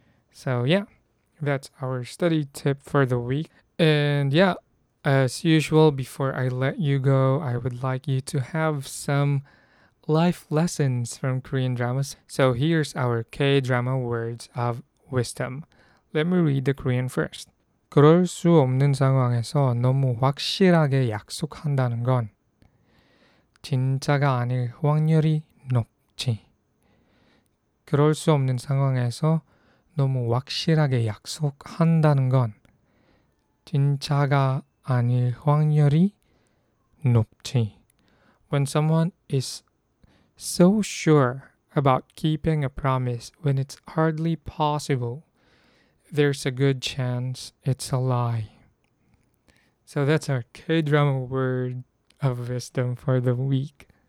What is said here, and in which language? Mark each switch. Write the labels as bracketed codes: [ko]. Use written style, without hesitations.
[en] So yeah, that's our study tip for the week. And yeah, as usual, before I let you go, I would like you to have some life lessons from Korean dramas. So here's our K-drama words of wisdom. Let me read the Korean first. [ko] 그럴 수 없는 상황에서 너무 확실하게 약속한다는 건 진짜가 아닐 확률이 높지. 그럴 수 없는 상황에서 너무 확실하게 약속한다는 건 진짜가 아닐 확률이 높지. [en] When someone is so sure about keeping a promise when it's hardly possible, there's a good chance it's a lie. So that's our K-drama word of wisdom for the week.